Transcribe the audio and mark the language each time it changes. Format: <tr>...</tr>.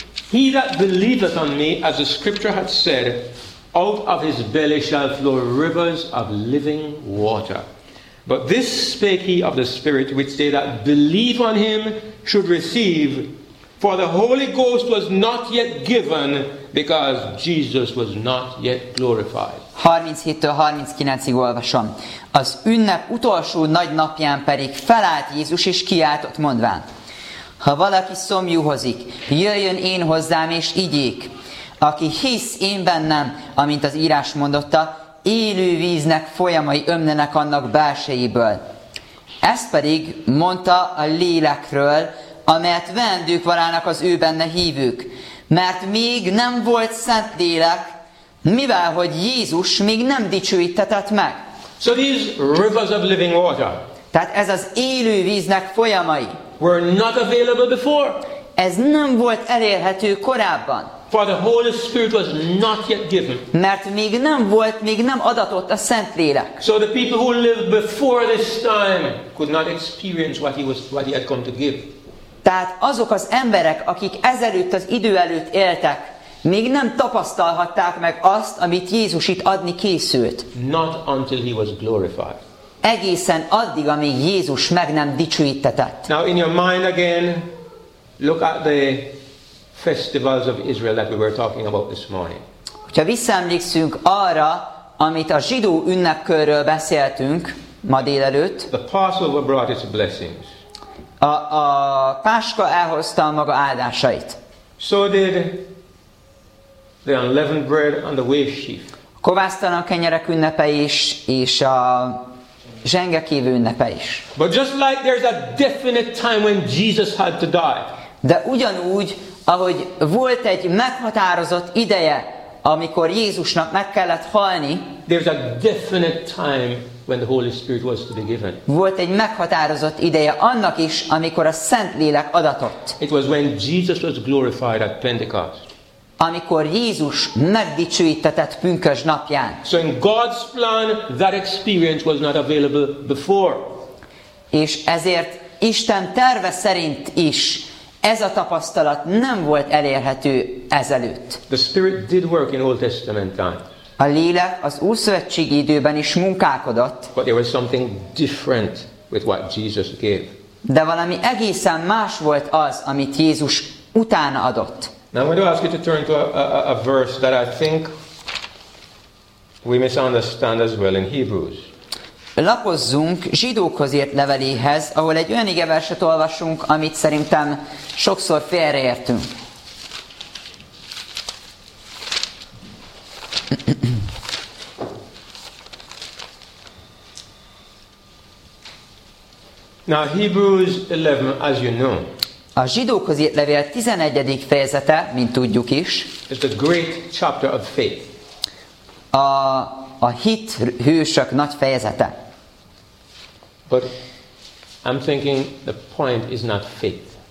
<en>He that believeth on me, as the scripture hath said, out of his belly shall flow rivers of living water. But this spake he of the Spirit, which they that believe on him should receive. For the Holy Ghost was not yet given, because Jesus was not yet glorified.</en> <hu>37-től 39-ig olvasom. Az ünnep utolsó nagy napján pedig felállt Jézus, és kiáltott mondván. Ha valaki szomjúhozik, jöjjön én hozzám, és igyék. Aki hisz én bennem, amint az írás mondotta, élő víznek folyamai ömlenek annak belsejéből. Ezt pedig mondta a lélekről, amelyet vendők varának az ő benne hívők. Mert még nem volt szent lélek, mivel hogy Jézus még nem dicsőítetett meg.</hu> <en>So these rivers of living water.</en> <hu>Tehát ez az élő víznek folyamai.</hu> <en>Were not available before.</en> <hu>Ez nem volt elérhető korábban.</hu> <en>For the Holy Spirit was not yet given.</en> <hu>Mert még nem adatott a Szentlélek.</hu> <en>So the people who lived before this time could not experience what he had come to give.</en> <hu>Tehát azok az emberek, akik ezelőtt az idő előtt éltek, még nem tapasztalhatták meg azt, amit Jézus itt adni készült.</hu> <en>Not until he was glorified.</en> <hu>Egészen addig, amíg Jézus meg nem dicsőítetett.</hu> <en>Now in your mind again, look at the festivals of Israel that we were talking about this morning.</en> <hu>Hogyha visszaemlékszünk arra, amit a zsidó ünnepkörről beszéltünk ma délelőtt.</hu> <en>The Passover brought its blessings.</en> <hu>A Páska elhozta maga áldásait.</hu> <en>So did the unleavened bread and the wafer.</en> <hu>Kovásztalan kenyerek ünnepe is, és a zsengekévő ünnepe is.</hu> <en>But just like there's a definite time when Jesus had to die.</en> <hu>De ugyanúgy, ahogy volt egy meghatározott ideje, amikor Jézusnak meg kellett halni,</hu> <en>there's a definite time when the Holy Spirit was to be given.</en> <hu>Volt egy meghatározott ideje annak is, amikor a Szentlélek adatott.</hu> <en>It was when Jesus was glorified at Pentecost.</en> <hu>Amikor Jézus megdicsőítetett pünkösd napján.</hu> <en>So in God's plan, that experience was not available before.</en> <hu>És ezért Isten terve szerint is ez a tapasztalat nem volt elérhető ezelőtt.</hu> <en>The Spirit did work in Old Testament time.</en> <hu>A lélek az ószövetségi időben is munkálkodott.</hu> <en>But there was something different with what Jesus gave.</en> <hu>De valami egészen más volt az, amit Jézus utána adott.</hu> <en>Now I'm going to ask you to turn to a verse that I think we misunderstand as well in Hebrews.</en> <hu>Lapozzunk zsidókhoz írt leveléhez, ahol egy olyan igeverset olvasunk, amit szerintem sokszor félreértünk.</hu> <en>Now Hebrews 11, as you know.</en> <hu>A zsidókhoz írt levél 11. fejezete, mint tudjuk is.</hu> <en>It's the great chapter of faith.</en> <hu>A hit hősök nagy fejezete.</hu> <en>But I'm thinking the point is not faith.</en>